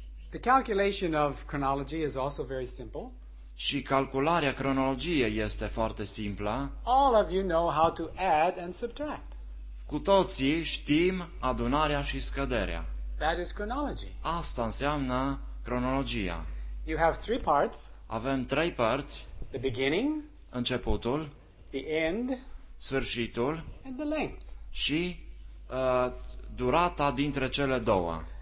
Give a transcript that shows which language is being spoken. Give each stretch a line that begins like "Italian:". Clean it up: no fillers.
English: The calculation of chronology is also very simple.
Romanian: Și calcularea cronologiei este foarte simplă.
English: All of you know how to add and subtract.
Romanian: Cu toții știm adunarea și scăderea.
English: That is chronology.
Romanian: Asta înseamnă cronologia.
English: You have 3 parts.
Romanian: Avem 3 părți.
English: The beginning.
Romanian: Începutul.
English: The end.
Romanian: Sfârșitul.
English: And the length.
Romanian: Și durata dintre cele două.